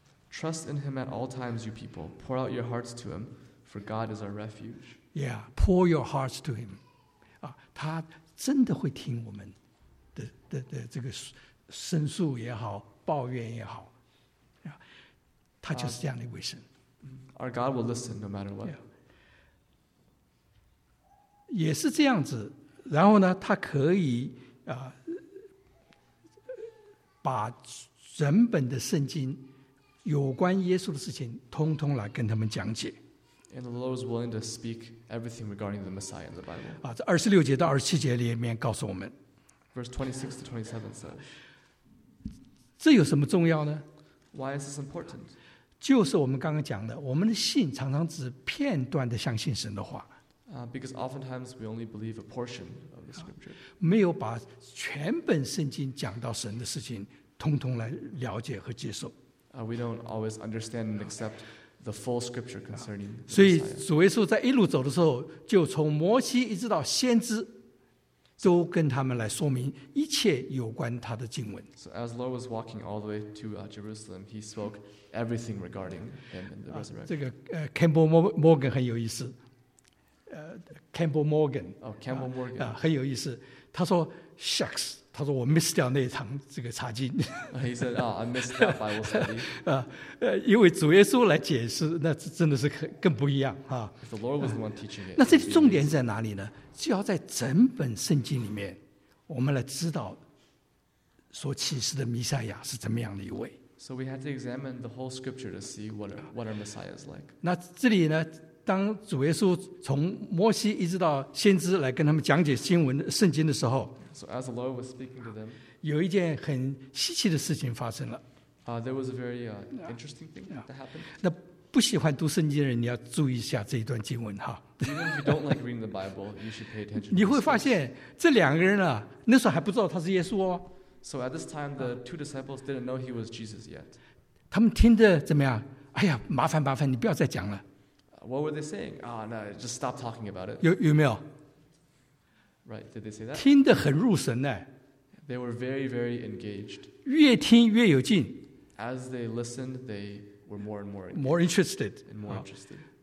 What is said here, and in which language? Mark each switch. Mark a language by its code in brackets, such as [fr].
[en] Trust in him at all times, you people. Pour out your hearts to him, for God is our refuge. Yeah, pour your hearts to him. [zh] 他真的会听我们的这个申诉也好，抱怨也好，他就是这样的一位神。 [en] Our God will listen no matter what. Yeah. [zh] 也是这样子。然后呢，他可以把整本的圣经有关耶稣的事情，通通来跟他们讲解。 [en] And the Lord is willing to speak everything regarding the Messiah in the Bible. [zh] 啊，这二十六节到二十七节里面告诉我们。 [en] Verse 26 to 27 says. [zh] 这有什么重要呢 [en] ？Why is this important？ [zh] 就是我们刚刚讲的，我们的信常常只片段的相信神的话。 [en] Because oftentimes we only believe a portion of the scripture. [zh] 没有把全本圣经讲到神的事情，通通来了解和接受。 [en] We don't always understand and accept the full scripture concerning the Messiah. [zh] 所以主耶稣在一路走的时候，就从摩西一直到先知，都跟他们来说明一切有关他的经文。 [en] So as the Lord was walking all the way to Jerusalem, he spoke everything regarding him and the resurrection. [zh] 这个Campbell Morgan 很有意思。Campbell Morgan, Campbell Morgan 很有意思。他说 ，Shucks， 他说我 miss 掉那一场这个查经。 [en] He said, "Oh, I missed that Bible study." [zh] 因为主耶稣来解释，那真的是更不一样啊。 [en] If the Lord was the one teaching it, [zh] 那这重点在哪里呢？就要在整本圣经里面，我们来知道所启示的弥赛亚是怎么样的一位。 [en] So we had to examine the whole scripture to see what our Messiah is like. [zh] 那这里呢？当主耶稣从摩西一直到先知来跟他们讲解经文圣经的时候， [en] so as the Lord was speaking to them, [zh] 有一件很稀奇的事情发生了。 [en] There was a very interesting thing that happened. [zh] 那不喜欢读圣经的人，你要注意一下这一段经文哈。 [en] Even if you don't like reading the Bible, you should pay attention. [zh] 你会发现这两个人啊，那时候还不知道他是耶稣哦。 [en] So at this time, the two disciples didn't know he was Jesus yet. [zh] 他们听着怎么样？哎呀，麻烦麻烦，你不要再讲了。 [en] What were they saying? Ah,、oh, no, just stop talking about it. [zh] 有没有 [en] ？Right? Did they say that? [zh] 听得很入神呢。 [en] They were very, very engaged. [zh] 越听越有劲。 [en] As they listened, they were more and more engaged, more interested. And more interested.